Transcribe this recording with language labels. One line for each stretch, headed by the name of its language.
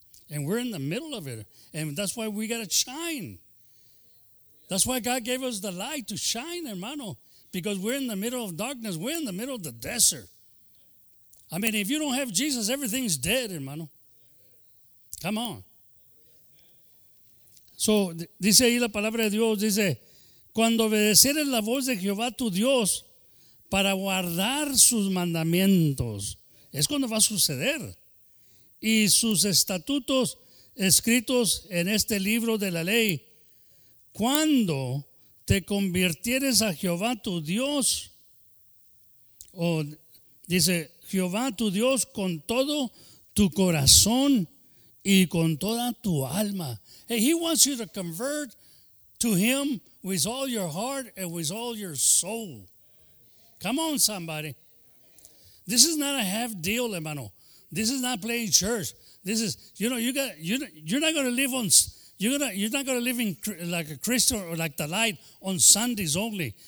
English: And we're in the middle of it. And that's why we got to shine. That's why God gave us the light to shine, hermano. Because we're in the middle of darkness. We're in the middle of the desert. I mean, if you don't have Jesus, everything's dead, hermano. Come on.
Spanish: So, dice ahí la palabra de Dios, dice, cuando obedeceres la voz de Jehová tu Dios para guardar sus mandamientos, es cuando va a suceder. Y sus estatutos escritos en este libro de la ley, cuando te convirtieres a Jehová tu Dios, o dice Jehová tu Dios con todo tu corazón y con toda tu alma.
English: Hey, he wants you to convert to him with all your heart and with all your soul. Come on, somebody. This is not a half deal, hermano. This is not playing church. This is, you know, you're not gonna live like a Christian or like the light on Sundays only.